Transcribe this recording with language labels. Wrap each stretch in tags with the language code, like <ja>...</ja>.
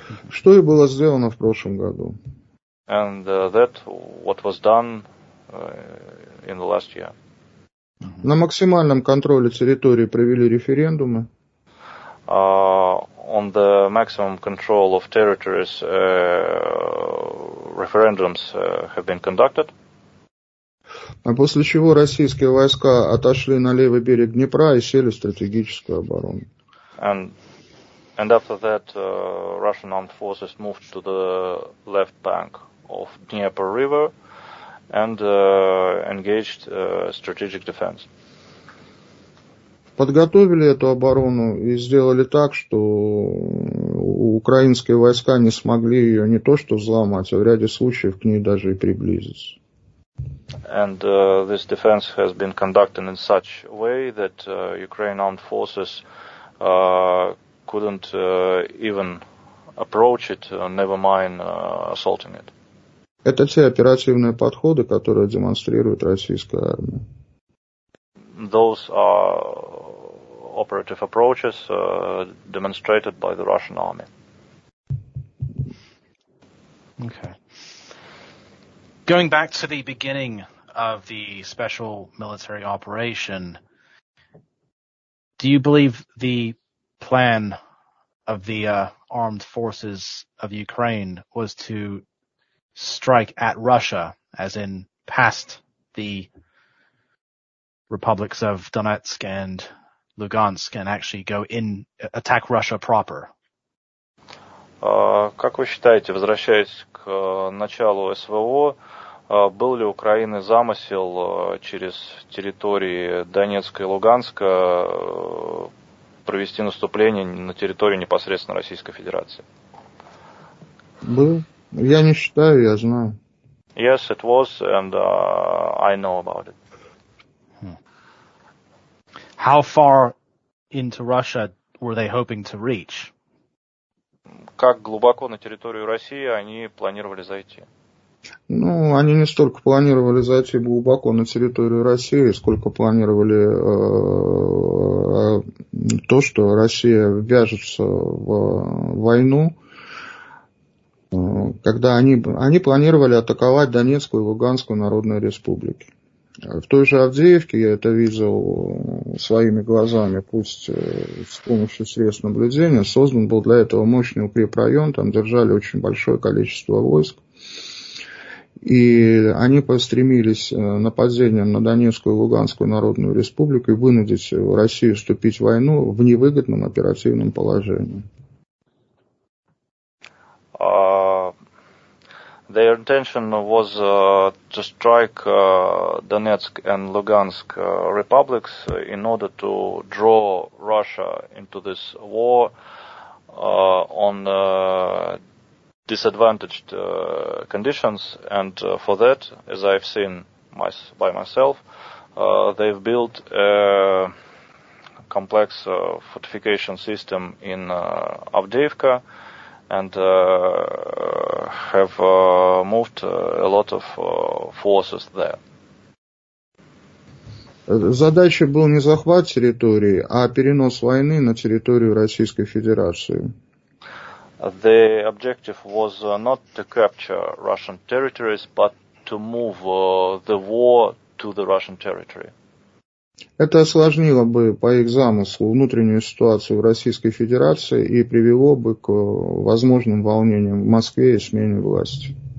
<ru>Что и было сделано в прошлом году.</ru> <en>And that what was done in the last year.</en> <ru>На максимальном контроле территории провели референдумы.</ru> <en>On the maximum control of territories, referendums have been conducted.</en> <ru>А после чего российские войска отошли на левый берег Днепра и сели в стратегическую оборону.</ru> <en>And after that, Russian armed forces moved to the left bank of Dnieper River and engaged strategic defense.</en> <ru>Подготовили эту оборону и сделали так, что украинские войска не смогли ее не то что взломать, а в ряде случаев к ней даже и приблизиться.</ru> <en>And this defense has been conducted in such a way that Ukraine armed forces couldn't even approach it, never mind assaulting it.</en> <ru>Это те оперативные подходы, которые демонстрирует российская армия.</ru> <en>Those are operative approaches demonstrated by the Russian army. Okay. Going back to the beginning of the special military operation, do you believe the plan of the armed forces of Ukraine was to strike at Russia, as in past the republics of Donetsk and Lugansk, and actually go in, attack Russia proper?</en> <ru>Как вы считаете, возвращаясь к началу СВО, был ли у Украины замысел через территории Донецка и Луганска провести наступление на территорию непосредственно Российской Федерации? Был. Я не считаю, я знаю.</ru> <en>Yes, it was, and I know about it. How far into Russia were they hoping to reach?</en> <ru>Как глубоко на территорию России они планировали зайти? Ну, они не столько планировали зайти глубоко на территорию России, сколько планировали то, что Россия ввяжется в войну. Когда они планировали атаковать Донецкую и Луганскую народные республики. В той же Авдеевке я это видел своими глазами, пусть с помощью средств наблюдения, создан был для этого мощный укрепрайон, там держали очень большое количество войск. И они постремились нападением на Донецкую и Луганскую народную республику и вынудить Россию вступить в войну в невыгодном оперативном положении.</ru> <en>Their intention was to strike Donetsk and Lugansk republics in order to draw Russia into this war on disadvantaged conditions. And for that, as I've seen by myself, they've built a complex fortification system in Avdiivka. And have moved a lot of forces there.</en> <ru>Задача была не захват территории, а перенос войны на территорию Российской Федерации.</ru> <en>The objective was not to capture Russian territories, but to move the war to the Russian territory.</en> <ru>Это осложнило бы, по их замыслу, внутреннюю ситуацию в Российской Федерации и привело бы к возможным волнениям в Москве и смене власти.</ru>